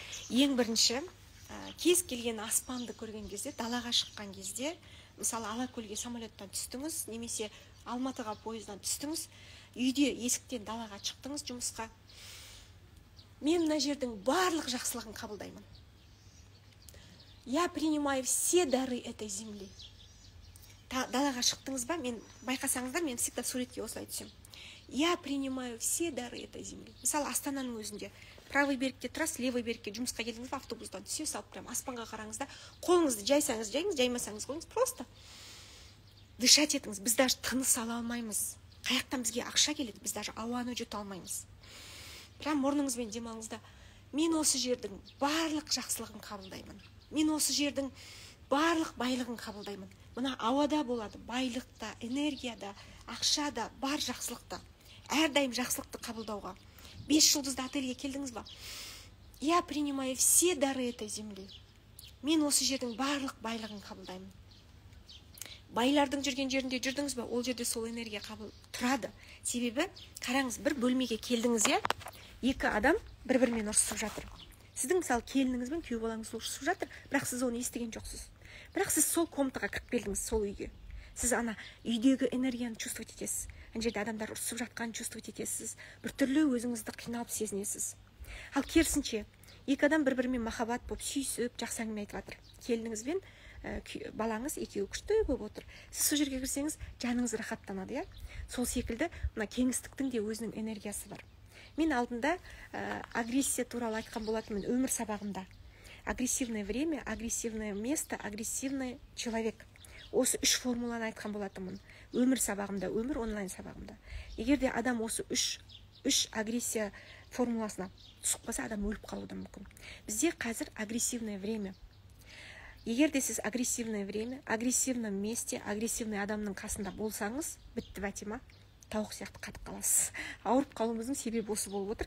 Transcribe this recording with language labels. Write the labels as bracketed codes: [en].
[kk] Ең бірінші, кез келген аспанды көрген кезде, далаға шыққан кезде, мысалы Алакөлге самолеттан түстіңіз, немесе Алматыға пойыздан түстіңіз, үйде есіктен далаға шықтыңыз жұмысқа, мен мына жердің барлық жақсылығын қабылдаймын. [ru] Я принимаю все дары этой земли. [kk] Далаға шықтыңыз ба? Мен байқасаңыздар, мен всегда суретке осылай түсем. [ru] Я принимаю все дары этой земли. [kk] Мысалы, Астананың өзінде правый берікте тұрасыз, левый берікке жұмысқа келдіңіз, автобустан түсе салып тұрамын, аспанға қараңыз да, қолыңызды жайсаңыз жайыңыз, жаймасаңыз қолыңыз, [ru] просто дышать [kk] етіңіз. Біз даже тыныс ала алмаймыз. Қаяқтан бізге ақша келеді, біз даже ауаны жұта алмаймыз. Бірақ мұрныңызбен демалыңыз да, мен осы жердің барлық жақсылығын қабылдаймын. Мен осы жердің барлық байлығын қабылдаймын. Мына ауада болады байлықта, энергияда, ақшада, бар жақсылықта. Әрдайым жақсылықты қабылдауға. 5 жұлдызды отельге келдіңіз ба? [ru] Я принимаю все дары этой земли. [kk] Мен осы жердің барлық байлығын қабылдаймын. Байлардың жүрген жерінде жүрдіңіз ба? Ол жерде сол энергия қабыл тұрады. Себебі, қараңыз, бір бөлмеге келдіңіз, е? Екі адам бір-бірімен ұрсысып жатыр. Сіздің мысалы келініңіз бен күйеу балаңыз ұрсысып жатыр, бірақ сіз оны естіген жоқсыз. Бірақ сіз сол комнатаға кіріп келдіңіз, сол үйге. Сіз ана үйдегі энергияны чувствовать етесіз. Ана жерде адамдар ұрсысып жатқанын чувствовать етесіз. Біртүрлі өзіңізді қиналып сезінесіз. Ал керісінше, екі адам бір-бірімен махаббат болып сүйісіп, жақсы әңгіме айтып жатыр. Келініңіз бен балаңыз екеуі күшті болып отыр. Сіз сол жерге кірсеңіз, жаныңыз рахаттанады, иә? Сол секілді мына кеңістіктің де өзінің энергиясы бар. Мен алдында агрессия туралы айтқан болатынмын өмір сабағымда. [ru] Агрессивное время, агрессивное место, агрессивный человек. [kk] Осы үш формуланы айтқан болатынмын өмір сабағымда, өмір онлайн сабағымда. Егер де адам осы үш агрессия формуласына түсіп қалса, адам өліп қалуы мүмкін. Бізде қазір [ru] агрессивное время. [kk] Егер де сіз [ru] агрессивное время, агрессивном месте, агрессивный [kk] адамның қасында болсаңыз, бітті бәтима. Тауық сияқты қатып қаласыз. Ауырып қалуымыздың себебі осы болып отыр.